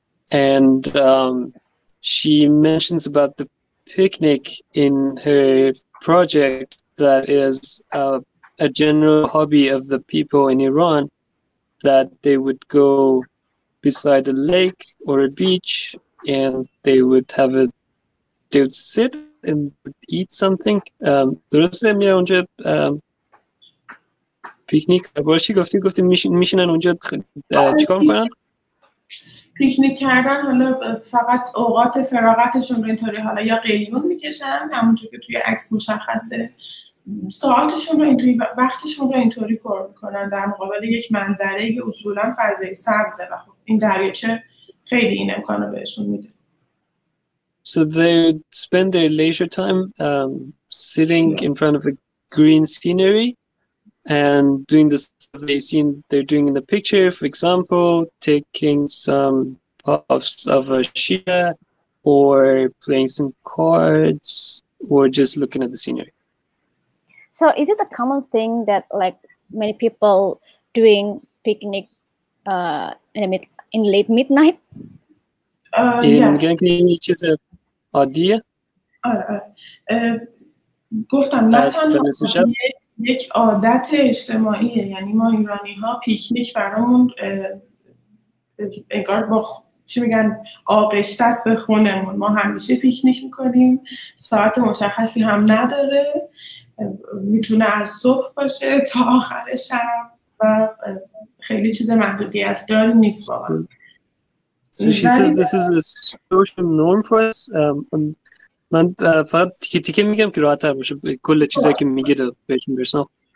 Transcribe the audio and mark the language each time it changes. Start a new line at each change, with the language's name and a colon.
English: And she mentions about the picnic in her project that is a general hobby of the people in Iran, that they would go beside a lake or a beach and they would sit and eat something.
Persian: درسته میره اونجا پیکنیک باشی گفتی میشینن اونجا چیکار میکنن؟ پیکنیک کردن، حالا فقط اوقات فراغتشون رو اینطوری حالا یا قلیون میکشن همونجور که توی عکس مشخصه، ساعتشون رو اینطوری، وقتشون رو اینطوری پر میکنن در مقابل یک منظره که اصولا فضای سبزه و خب این دریاچه خیلی این امکانو بهشون میده.
English: So they would spend their leisure time sitting in front of a green scenery and doing the stuff they've seen they're doing in the picture, for example, taking some puffs of a shisha or playing some cards or just looking at the scenery. So is it a common thing that like many people doing picnic in late midnight.
Persian: Yeah. چیز عادیه. گفتم نه تنها یک عادت اجتماعیه، یعنی ما ایرانی ها پیکنیک برامون انگار با چی میگن آغشته است به خونمون. ما همیشه پیکنیک میکنیم، ساعت مشخصی هم نداره، میتونه از صبح باشه تا آخر شب و خیلی چیز محدودی است داری نیست بابا.
English: So she says this is a social norm for us.
Persian: من فقط تیکه تیکه میگم که راحت‌تر باشه کل چیزایی که میگه بهتون برسونم.